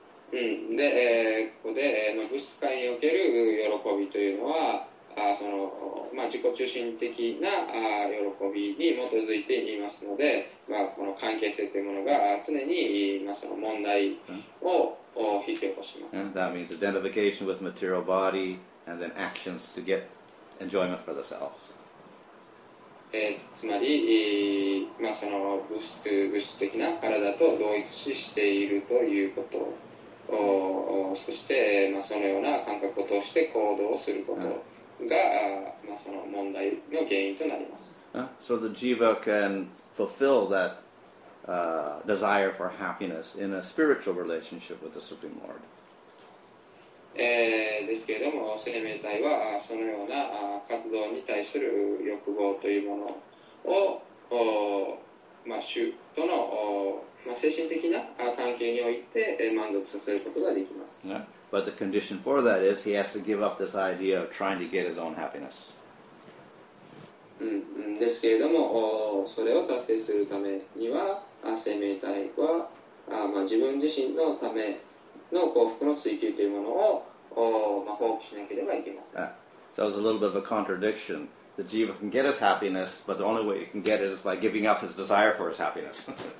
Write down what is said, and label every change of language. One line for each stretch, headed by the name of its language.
Japanese: で、ここで、物質界における喜びというのは、その、まあ、自己中心的な喜びに基づいていますので、まあ、この関係性というものが常に、まあ、その問題を引き起こします。
English: And that means identification with material body and then actions to get enjoyment for the self.
Japanese: つまり、まあ、その物質的な体と同一視しているということ。そして、まあ、そのような感覚を通して行動をすること。が、まあ、その問題の原因となります。
English: So the jiva can fulfill that desire for happiness in a spiritual relationship with the Supreme Lord.
Japanese: ですけれども、生命体はそのような活動に対する欲望というものを、まあ、主との、まあ、精神的な関係において満足させることができます。
English: But the condition for that is he has to give up this idea of trying to get his own happiness.
Japanese: んですけれども、それを達成するためには生命体は自分自身のための幸福の追求というものを放棄しなければいけません。
English: So it's a little bit of a contradiction. The jiva can get his happiness, but the only way he can get it is by giving up his desire for his happiness.